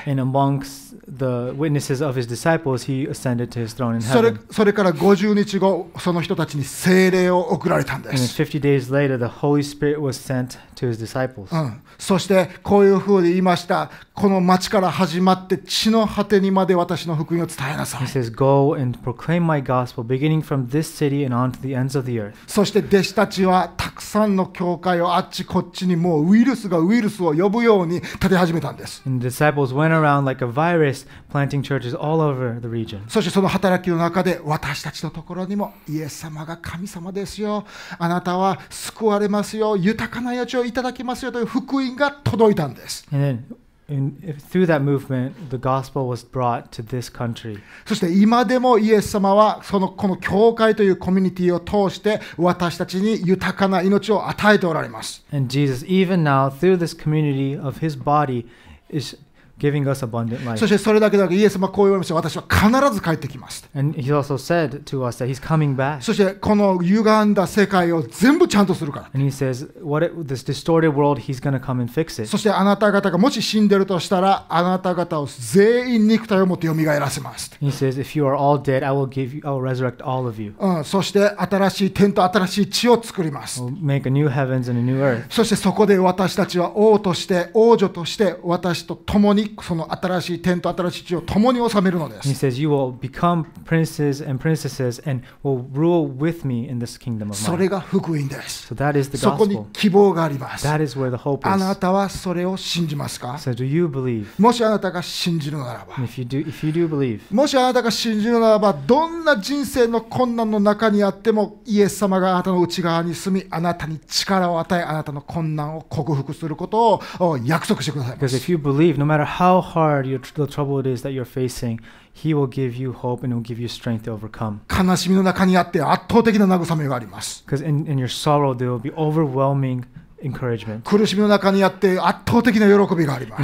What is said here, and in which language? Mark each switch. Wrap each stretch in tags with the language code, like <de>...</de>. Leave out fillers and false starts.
<en>And amongst the witnesses of his disciples, he ascended to his throne in heaven.</en> <ja>それから50日後その人たちに聖霊を送られたんです。</ja> <en>And 50 days later, the Holy Spirit was sent to his disciples.</en> <ja>そしてこういうふうに言いました。この町から始まって地の果てにまで私の福音を伝えなさい。</ja> <en>He says, go and proclaim my gospel beginning from this city and on to the ends of the earth.</en> <ja>そして弟子たちはたくさんの教会をあっちこっちにもうウイルスがウイルスを呼ぶように建て始めたんです。</ja> <en>And the disciples went around like a virus planting churches all over the region.</en> <ja>そしてその働きの中で私たちのところにもイエス様が神様ですよ、あなたは救われますよ、豊かな余地をいただきますよという福音が届いたんです。</ja> <en>And then, through that movement, the gospel was brought to this country.</en> <ja>そして今でもイエス様はそのこの教会というコミュニティを通して私たちに豊かな命を与えておられます。</ja> <en>And Jesus, even now, through this community of his body, is giving us abundant life.</en> <ja>そしてそれだけだけイエス様はこう言われました。私は必ず帰ってきます。</ja> <en>And he also said to us that he's coming back.</en> <ja>そしてこの歪んだ世界を全部ちゃんとするから。</ja> <en>And he says, what it, this distorted world, he's going to come and fix it.</en> <ja>そしてあなた方がもし死んでるとしたら、あなた方を全員肉体を持って蘇らせます。</ja> <en>He says, if you are all dead, I will resurrect all of you.</en> <ja>そして新しい天と新しい地を作ります。</ja> <en>We'll make a new heavens and a new earth.</en> <ja>そしてそこで私たちは王として王女として私と共にその新しい天と新しい地を共に治めるのです。</ja> <en>He says, you will become princes and princesses and will rule with me in this kingdom of mine.</en> <ja>それが福音です。</ja> <en>So that is the gospel.</en> <ja>そこに希望があります。</ja> <en>That is where the hope is.</en> <ja>あなたはそれを信じますか？</ja> <en>So do you believe?</en> <ja>もしあなたが信じるならば、</ja> <en>if you do believe,</en> <ja>もしあなたが信じるならば、どんな人生の困難の中にあってもイエス様があなたの内側に住み、あなたに力を与え、あなたの困難を克服することを約束してください。</ja> <en>Because if you believe, no matter how hard the trouble it is that you're facing, He will give you hope and will give you strength to overcome.</en> <ja>悲しみの中にあって圧倒的な慰めがあります。</ja> <en>Because in your sorrow there will be overwhelming encouragement.</en> <ja>苦しみの中にあって圧倒的な喜びがあります。</ja>